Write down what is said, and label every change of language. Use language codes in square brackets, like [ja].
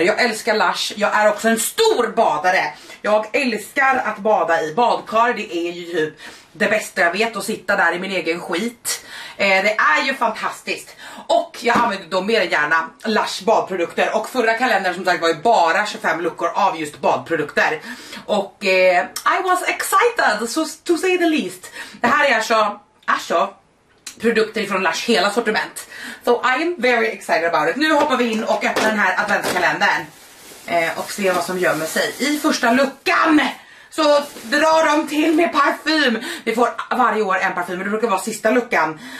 [sv] Jag älskar Lush, jag är också en stor badare. Jag älskar att bada i badkar, det är ju typ det bästa jag vet, att sitta där i min egen skit. Det är ju fantastiskt. Och jag använder då mer gärna Lush badprodukter. Och förra kalendern som sagt var ju bara 25 luckor av just badprodukter. [en] Och I was excited, so to say the least. [sv] Det här är alltså produkter från Lush hela sortiment. [en] So I am very excited about it. [sv] Nu hoppar vi in och öppnar den här adventskalendern och se vad som gömmer sig i första luckan. Så drar de till med parfym. Vi får varje år en parfym, det brukar vara sista luckan.